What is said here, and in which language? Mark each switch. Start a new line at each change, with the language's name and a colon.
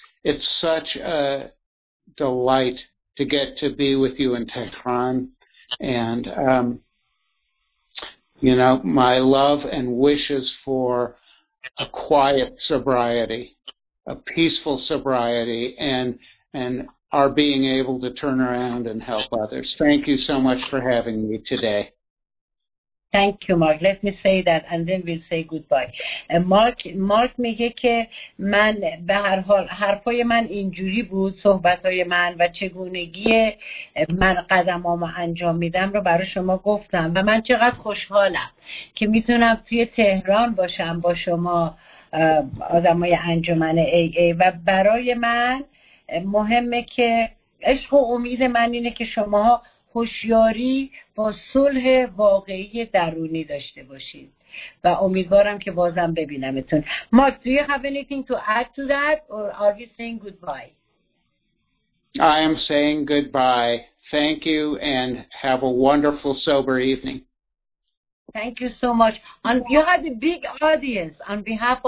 English: It's such a delight to get to be with you in Tehran, and you know, my love and wishes for a quiet sobriety, a peaceful sobriety, and our being able to turn around and help others. Thank you so much for having me today. Thank you, Mark. Let me say that and then we'll say goodbye.
Persian: Mark میگه که من به هر حال حرفای من اینجوری بود، صحبتای من و چگونگی من قدمامو انجام میدم رو برای شما گفتم و من چقدر خوشحالم که میتونم توی تهران باشم با شما آدمای انجمن AA، و برای من مهمه که عشق و امید من اینه که شما هوشیاری با صلح واقعی درونی داشته باشید و امیدوارم که بازم ببینمتون.
English: Mark, do you have anything to add to that or are you saying goodbye? I am saying goodbye. Thank you and have a wonderful sober evening. Thank you so much. And you had a big audience on behalf of